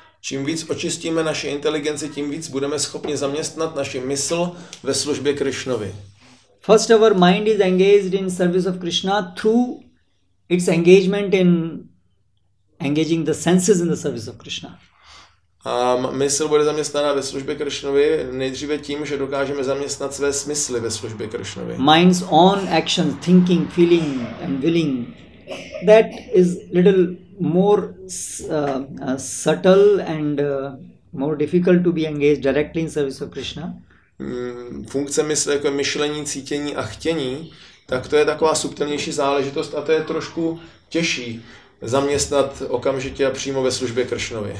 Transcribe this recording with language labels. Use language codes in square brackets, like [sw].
[cs] Čím víc očistíme naši inteligenci, tím víc budeme schopni zaměstnat naši mysl ve službě Krishnovi. [en] First our mind is engaged in service of Krishna through its engagement in engaging the senses in the service of Krishna. [cs] A mysl bude zaměstnána ve službě Krishnovi nejdříve tím, že dokážeme zaměstnat své smysly ve službě Krishnovi. [en] Mind's own actions, thinking, feeling and willing, that is little more subtle and more difficult to be engaged directly in service of Krishna. [cs] Funkce mysle jako myšlení, cítění a chtění, tak to je taková subtilnější záležitost a to je trošku těžší zaměstnat okamžitě a přímo ve službě Krishnovi.